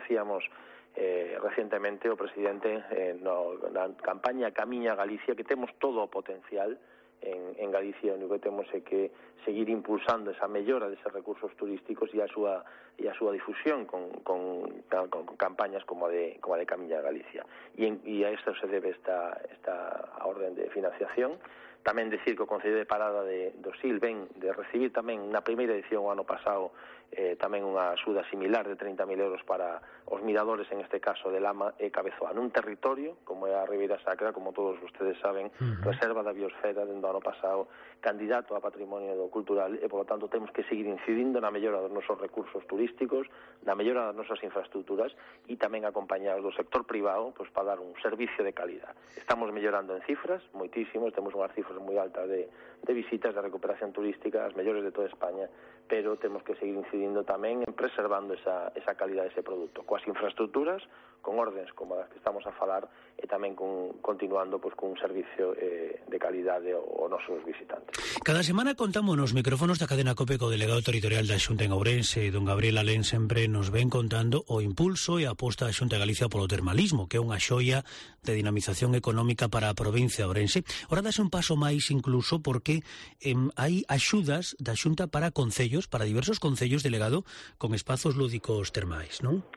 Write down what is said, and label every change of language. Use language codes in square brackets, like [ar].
[gl] Decíamos recientemente o presidente na campaña Camiña Galicia que temos todo o potencial en Galicia, o único que temos é que seguir impulsando esa mellora deses recursos turísticos e a súa difusión con campañas como a de Camiña Galicia. E a isto se debe esta orden de financiación. Tamén decir que o Concello de Parada do Sil ven de recibir tamén na primeira edición o ano pasado tamén unha axuda similar de 30.000 euros para os miradores, en este caso de Lama e Cabezoa, nun territorio como é a Ribeira Sacra, como todos ustedes saben, reserva da biosfera dende o ano pasado, candidato a patrimonio do cultural, e polo tanto temos que seguir incidindo na mellora dos nosos recursos turísticos, na mellora das nosas infraestructuras e tamén acompañados do sector privado pues, [es] para dar un servicio de calidad. [gl] Estamos mellorando en cifras, moitísimos, temos unha cifras moi altas de visitas, de recuperación turística, as mellores de toda España, [es] pero tenemos que seguir incidiendo también en preservando esa calidad de ese producto, coas infraestructuras, con órdenes como las que estamos a falar, [gl] e tamén continuando pues, [es] con un servicio de calidad o nosos visitantes. [gl] Cada semana contamos nos micrófonos da cadena COPE co delegado territorial da Xunta en Ourense, don Gabriel Alén, sempre nos ven contando o impulso e aposta da Xunta de Galicia polo termalismo, que é unha xoia de dinamización económica para a provincia ourense. Ora dase un paso máis incluso porque hai axudas da Xunta para concellos, para diversos concellos, delegado, con espazos lúdicos termais, non?